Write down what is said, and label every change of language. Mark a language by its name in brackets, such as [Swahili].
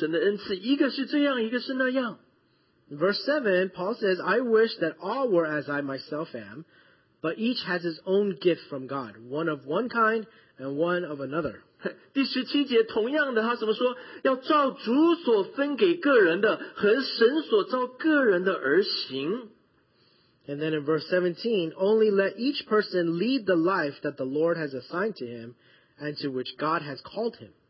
[Chinese] 第七节说，我愿意众人像我一样，只是个人领受神的恩赐，一个是这样，一个是那样。 [English] Verse 7, Paul says, I wish that all were as I myself am, but each has his own gift from God, one of one kind and one of another. [Chinese] 第十七节同样的，他怎么说？要照主所分给个人的和神所造个人的而行。 [English] And then in verse 17, only let each person lead the life that the Lord has assigned to him and to which God has called him.